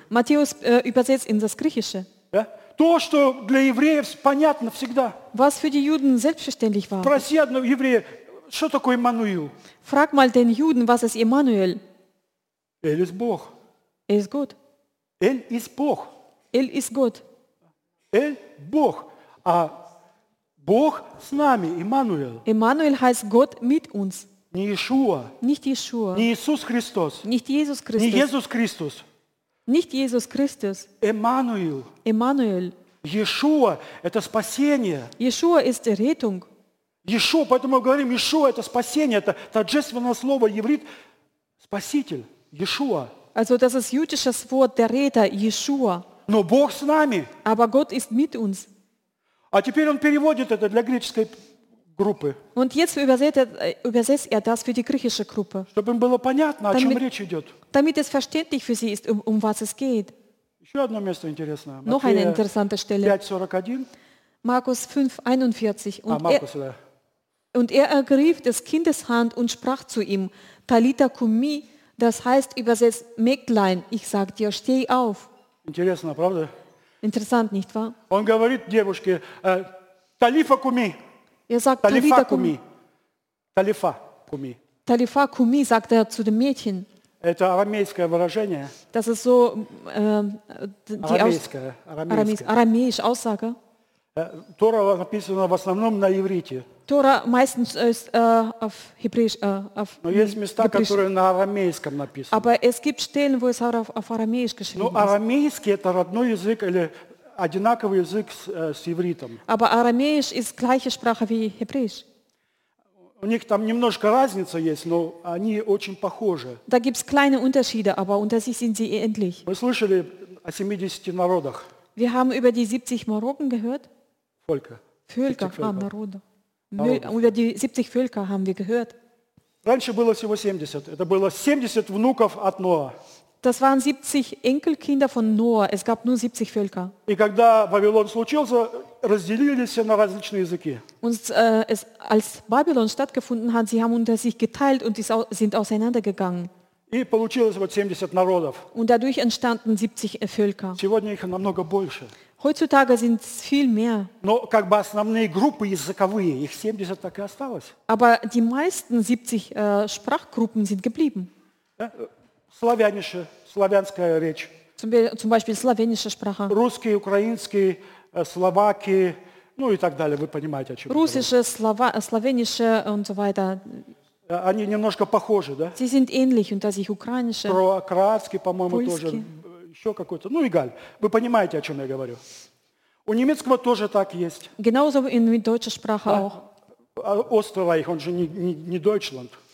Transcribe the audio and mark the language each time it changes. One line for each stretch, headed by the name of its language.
German: Matthäus übersetzt in das griechische.
Russian: Да? То, что для евреев понятно всегда.
German: Was für die Juden selbstverständlich war.
Russian: Проси одного еврея. Что такое Эммануил?
German: Frag mal den Juden, was ist Emmanuel?
Russian: Эль
German: ist
Russian: Бог.
German: Er ist Gott.
Russian: Эль
German: ist
Russian: Бог.
German: Er ist Gott.
Russian: Эль Бог. А Бог с нами, Эммануил.
German: Emmanuel heißt Gott mit uns.
Russian: Не Иешуа.
German: Nicht Иешуа.
Russian: Не Иисус Христос.
German: Nicht Jesus Christus.
Russian: Не Иисус Христос.
German: Nicht Jesus Christus.
Russian: Эммануил.
German: Emmanuel.
Russian: Иешуа – это спасение.
German: Иешуа ist Rettung.
Russian: Иешуа, поэтому мы говорим, Иешуа – это спасение, это торжественное слово, еврит, спаситель, Иешуа.
German: Also das ist jüdisches Wort der Retter, Yeshua.
Russian: Но Бог с нами.
German: Aber Gott ist mit uns.
Russian: А теперь он переводит это для греческой группы.
German: Und jetzt übersetzt er das für die griechische Gruppe.
Russian: Чтобы им было понятно,
German: damit,
Russian: о чем речь идет.
German: Damit es verständlich für sie ist, um was es geht.
Russian: Еще одно место интересное.
German: Noch eine interessante Stelle. 5:41. Markus 5:41. Und Markus, oder? Und er ergriff des Kindes Hand und sprach zu ihm, Talita Kumi, das heißt übersetzt, Mägdlein, ich sag dir, steh auf.
Russian: Интересно, правда?
German: Interessant, nicht wahr?
Russian: Он говорит девушке, Талифа Куми.
German: Er sagt, Talita Kumi.
Russian: Талифа Куми.
German: Талифа Куми, sagt er zu dem Mädchen.
Russian: Это арамейское выражение.
German: Das ist so, die
Russian: арамейское.
German: Арамейш, Aussage.
Russian: Тора написана в основном на иврите.
German: Тора meistens ist auf Hebräisch, auf
Russian: Но есть места,
German: Hebräisch.
Russian: Которые на арамейском написаны.
German: Aber es gibt Stellen, wo es auf арамейш geschrieben ist.
Russian: Но арамейский это родной язык или одинаковый язык с ивритом.
German: Aber арамейш ist gleiche Sprache wie Hebräisch.
Russian: У них там немножко разница есть, но они очень похожи.
German: Da gibt's kleine Unterschiede, aber unter sich sind sie ähnlich.
Russian: Мы слышали о 70 народах.
German: Wir haben über die 70 Marokken gehört. Völker. Völker,
Russian: народы.
German: Über die 70 Völker haben wir gehört.
Russian: Раньше было всего 70. Это было 70 внуков от Ноа.
German: Das waren 70 Enkelkinder von Noah. Es gab nur 70 Völker.
Russian: И когда Вавилон случился, разделились на различные языки.
German: Und es, als Babylon stattgefunden hat, sie haben unter sich geteilt und sind auseinandergegangen.
Russian: И получилось вот 70 народов.
German: Und dadurch entstanden 70 Völker.
Russian: Сегодня их намного больше.
German: Heutzutage sind es viel mehr.
Russian: Но как бы основные группы языковые, их 70 так и осталось.
German: Aber die meisten 70 Sprachgruppen sind geblieben. Ja?
Russian: Славянische, славянская речь.
German: Zum Beispiel славянische Sprache.
Russian: Русский, украинский, словаки, ну и так далее, вы понимаете, о чем я говорю.
German: Russische, славянische und so weiter.
Russian: Они немножко похожи, да?
German: Sie sind ähnlich, unter sich ukrainische.
Russian: Кроатский, по-моему, тоже. Еще какой-то. Ну и галь. Вы понимаете, о чем я говорю. У немецкого тоже так есть.
German: Genauso in deutscher Sprache auch.
Russian: Österreich, он же не Deutschland.